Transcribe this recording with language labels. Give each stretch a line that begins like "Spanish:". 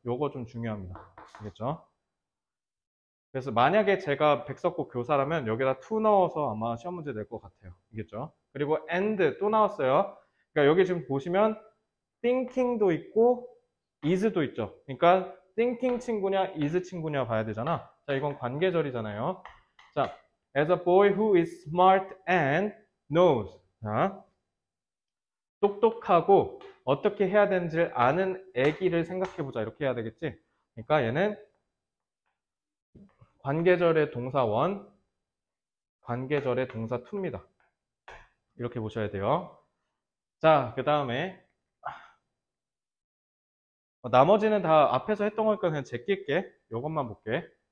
Korean: 요거 좀 중요합니다. 알겠죠? 그래서 만약에 제가 백석고 교사라면 여기다 투 넣어서 아마 시험 문제 될것 같아요. 알겠죠? 그리고 and 또 나왔어요. 그러니까 여기 지금 보시면 thinking도 있고 is도 있죠. 그러니까 thinking 친구냐, is 친구냐 봐야 되잖아. 자, 이건 관계절이잖아요. 자,
English: as a boy who is smart and knows.
Korean: 자, 똑똑하고 어떻게 해야 되는지를 아는 애기를 생각해보자. 이렇게 해야 되겠지? 그러니까 얘는 관계절의 동사 1, 관계절의 동사 2입니다. 이렇게 보셔야 돼요. 자, 그 다음에 나머지는 다 앞에서 했던 거니까 그냥 제낄게. 이것만 볼게.